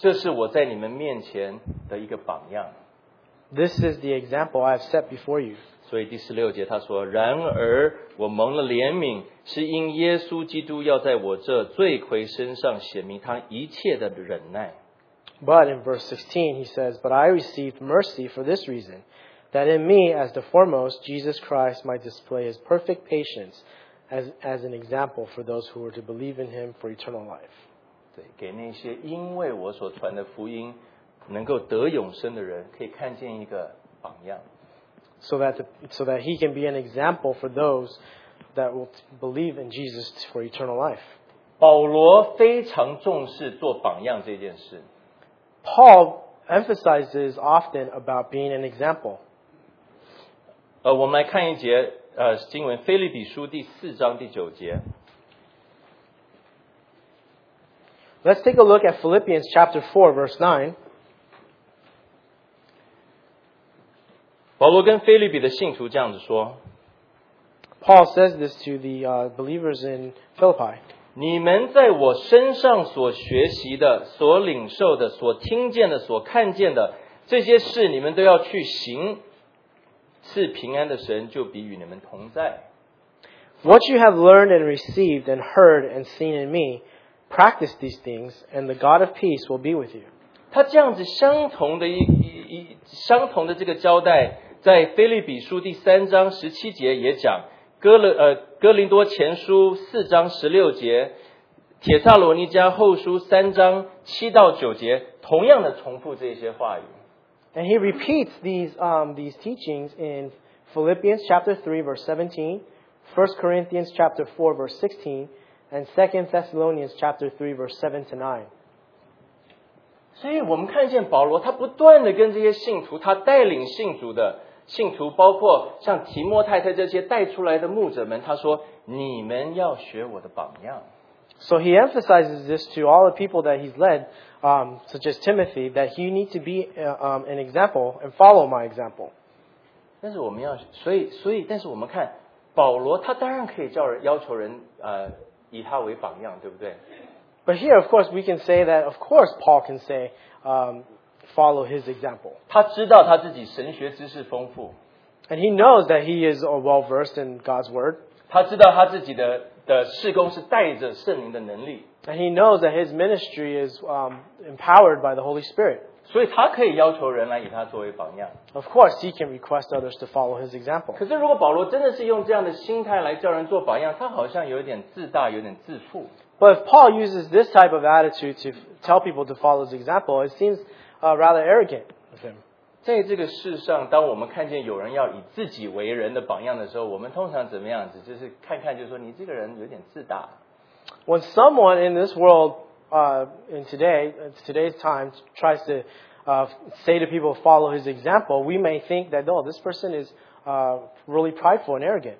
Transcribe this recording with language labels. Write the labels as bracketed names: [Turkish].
[Chinese] 这是我在你们面前的一个榜样。 [English] This is the example I have set before you. [Chinese] 所以第十六节他说，然而我蒙了怜悯，是因耶稣基督要在我这罪魁身上显明他一切的忍耐。 [English] But in verse 16 he says, But I received mercy for this reason, that in me as the foremost, Jesus Christ might display his perfect patience,As an example for those who were to believe in him for eternal life. [Chinese] 对，给那些因为我所传的福音能够得永生的人，可以看见一个榜样。 [English] So that he can be an example for those that will believe in Jesus for eternal life. [Chinese] 保罗非常重视做榜样这件事。 [English] Paul emphasizes often about being an example. [Chinese] 我们来看一节。经文腓立比书第四章第九节。 [English] Let's take a look at Philippians chapter 4, verse 9. [Chinese] 保罗跟腓立比的信徒这样子说。 [English] Paul says this to the believers in Philippi. [Chinese] 你们在我身上所学习的、所领受的、所听见的、所看见的，这些事你们都要去行。赐平安的神就必与你们同在。 [English] What you have learned and received and heard and seen in me, practice these things, and the God of peace will be with you. [Chinese] 他这样子相同的这个交代，在腓立比书第三章十七节也讲，哥林多前书四章十六节，帖撒罗尼迦后书三章七到九节同样的重复这些话语。 [English] And he repeats these teachings in Philippians chapter 3 verse 17, 1 Corinthians chapter 4 verse 16, and 2 Thessalonians chapter 3 verse 7 to 9. [Chinese] 所以我们看见保罗他不断地跟这些信徒他带领信徒的信徒包括像提摩太太这些带出来的牧者们他说你们要学我的榜样。 [English] So he emphasizes this to all the people that he's led, such as Timothy, that he needs to be an example and follow my example. [Chinese] 但是我们要所以但是我们看保罗他当然可以叫人要求人以他为榜样对不对 [English] But here, of course, we can say that, of course, Paul can say, follow his example. [Chinese] 他知道他自己神学知识丰富。 [English] And he knows that he is well-versed in God's word. [Chinese] 他知道他自己的事工是带着圣灵的能力。 [English] And he knows that his ministry is empowered by the Holy Spirit. [Chinese] 所以他可以要求人来以他作为榜样。 [English] Of course, he can request others to follow his example. [Chinese] 可是如果保罗真的是用这样的心态来叫人做榜样，他好像有点自大，有点自负。 [English] But if Paul uses this type of attitude to tell people to follow his example, it seems rather arrogant of him. [Chinese] 在这个世上，当我们看见有人要以自己为人的榜样的时候，我们通常怎么样子？就是看看，就是说你这个人有点自大。 [English] When someone in this world, in today's time, tries to say to people follow his example, we may think that, oh, this person is really prideful and arrogant.